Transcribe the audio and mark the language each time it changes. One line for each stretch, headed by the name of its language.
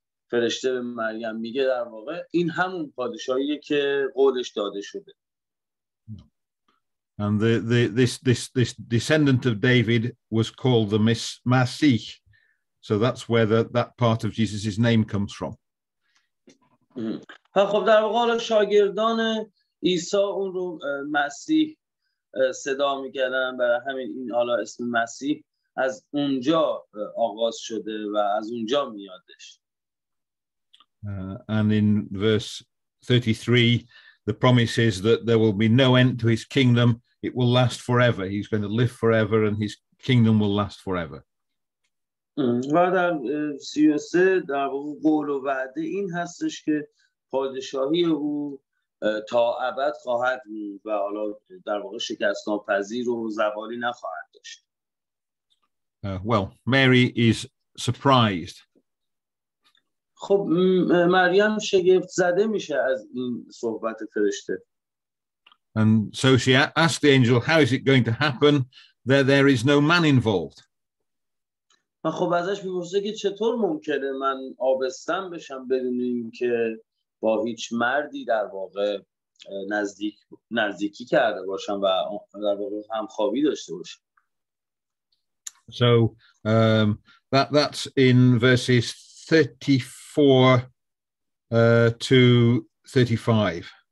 Persian: فرشته به مریم میگه در واقع این همون پادشاهیه که قولش داده شده.
English: And this descendant of David was called the Masih, so that's where that part of Jesus's name comes from.
Persian: خب در واقع شاگردان عیسی اون رو مسیح صدا میکردن، برای همین این حالا اسم مسیح از اونجا آغاز شده و از اونجا میادش.
English: And in verse 33 the promise is that there will be no end to his kingdom. It will last forever. He's going to live forever and his kingdom will last forever.
Persian: و در 33 در واقع قول و وعده این هستش که پادشاهی او تا ابد خواهد بود و حالا در واقع شکست ناپذیر و زوالی نخواهد داشت.
English: Well, Mary is surprised.
Persian: خب مریم شگفت زده میشه از این صحبت فرشته.
English: And so she asked the angel, how is it going to happen? There is no man involved.
Persian: خب ازش میپرسه که چطور ممکنه من آبستن بشم بدون اینکه با هیچ مردی در واقع نزدیکی کرده باشم و در واقع همخوابی داشته باشم.
English: So that's in verses 34-35.